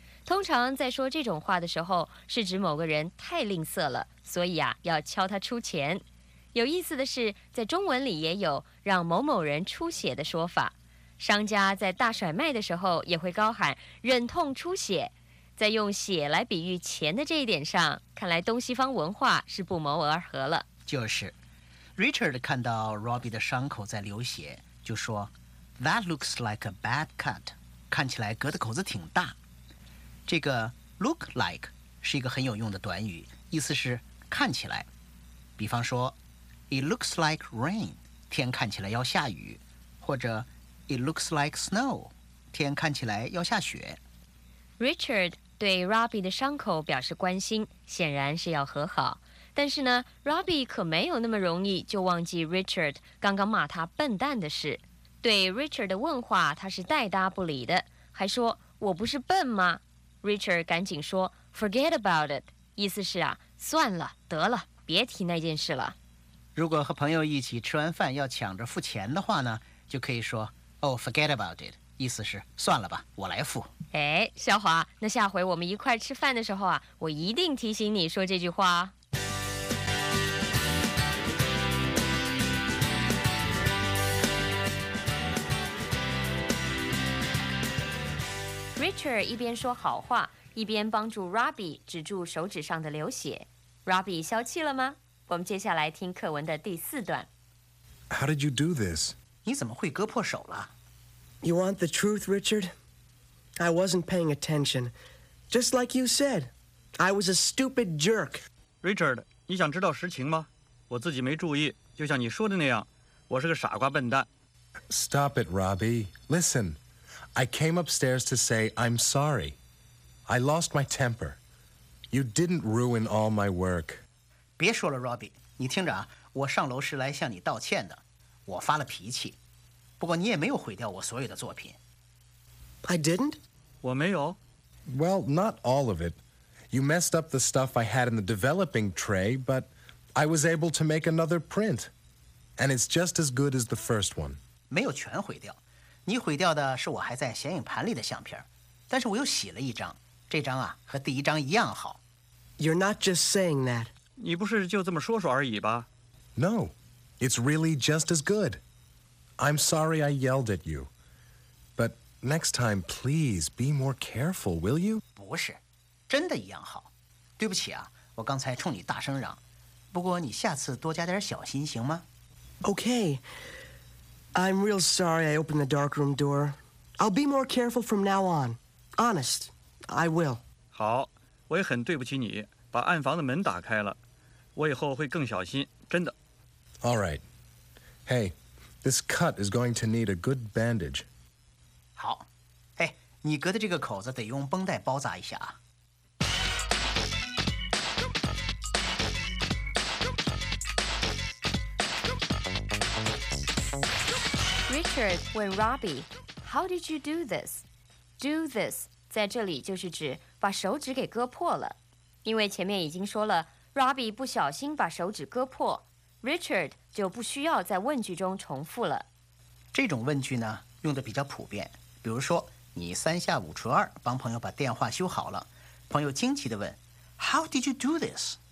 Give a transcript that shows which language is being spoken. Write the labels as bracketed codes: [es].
[zh] 通常在说这种话的时候，是指某个人太吝啬了，所以啊，要敲他出钱。有意思的是，在中文里也有让某某人出血的说法。商家在大甩卖的时候也会高喊“忍痛出血”。在用血来比喻钱的这一点上，看来东西方文化是不谋而合了。就是 ，Richard 看到 Robbie 的伤口在流血，就说 ： [en] “That looks like a bad cut。” [zh] 看起来割的口子挺大。这个 look like 是一个很有用的短语，意思是看起来。比方说 ， [en] It looks like rain， [zh] 天看起来要下雨，或者 [en] It looks like snow， [zh] 天看起来要下雪。 Richard 对 Robbie 的伤口表示关心，显然是要和好。但是呢 ，Robbie 可没有那么容易就忘记 Richard 刚刚骂他笨蛋的事。对 Richard 的问话，他是带搭不理的，还说：“我不是笨吗？” Richard 赶紧说 ： [en] “Forget about it。” [zh] 意思是啊，算了，得了，别提那件事了。如果和朋友一起吃完饭要抢着付钱的话呢，就可以说 ： [en] “Oh, forget about it。” [zh] 意思是算了吧，我来付。哎，小华，那下回我们一块吃饭的时候啊，我一定提醒你说这句话。 Richard 一边说好话，一边帮助 Robbie 止住手指上的流血。 Robbie 消气了吗？我们接下来听课文的第四段。 [en] How did you do this? [zh] 你怎么会割破手了？ [en] You want the truth, Richard? I wasn't paying attention. Just like you said, I was a stupid jerk. [zh] Richard, 你想知道实情吗？我自己没注意，就像你说的那样，我是个傻瓜笨蛋。 [en] Stop it, Robbie. Listen, I came upstairs to say I'm sorry. I lost my temper. You didn't ruin all my work. [zh] 别说了 ,Robbie. 你听着啊，我上楼是来向你道歉的。我发了脾气。不过你也没有毁掉我所有的作品。 [en] I didn't? [zh] 我没有。 [en] Well, not all of it. You messed up the stuff I had in the developing tray, but I was able to make another print. And it's just as good as the first one. [zh] 没有全毁掉。你毁掉的是我还在显影盘里的相片。但是我又洗了一张。这张啊，和第一张一样好。 [en] You're not just saying that. [zh] 你不是就这么说说而已吧？ [en] No, it's really just as good. I'm sorry I yelled at you. But next time, please be more careful, will you? [zh] 不是，真的一样好。对不起啊，我刚才冲你大声嚷。不过你下次多加点小心行吗？ [en] Okay. I'm real sorry I opened the darkroom door. I'll be more careful from now on. Honest, I will. [zh] 好，我也很对不起你，把暗房的门打开了。我以后会更小心，真的。 [en] All right. Hey. This cut is going to need a good bandage. [zh] 好，哎，你割的这个口子得用绷带包扎一下啊。 Richard 问 Robbie, [en] "How did you do this?" [zh] Do this 在这里就是指把手指给割破了，因为前面已经说了 ，Robbie 不小心把手指割破。 Richard 就不需要在问句中重复了。这种问句呢，用的比较普遍。比如说，你三下五除二帮朋友把电话修好了，朋友惊奇地问 ： [en] “How did you do this？”